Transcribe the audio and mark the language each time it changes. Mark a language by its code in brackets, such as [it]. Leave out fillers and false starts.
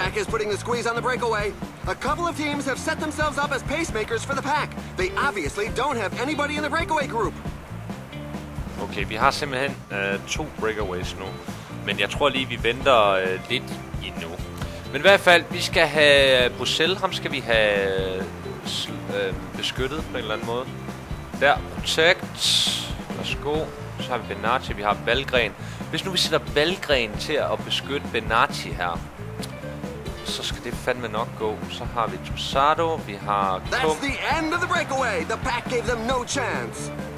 [en] The pack is putting the squeeze on the breakaway. A couple of teams have set themselves up as pacemakers for the pack. They obviously don't have anybody in the breakaway group. [da] Okay, vi har simpelthen to breakaways nu. Men jeg tror lige, vi venter lidt endnu. Men i hvert fald, vi skal have Brazelle, ham skal vi have beskyttet på en eller anden måde. Der, protect. Værsgo. Så har vi Benatti, vi har Valgren. Hvis nu vi sætter Valgren til at beskytte Benatti her, så skal det fandme nok gå. Så har vi Trussato, vi har Kum. [en] That's the end of the breakaway. The pack gave them no chance.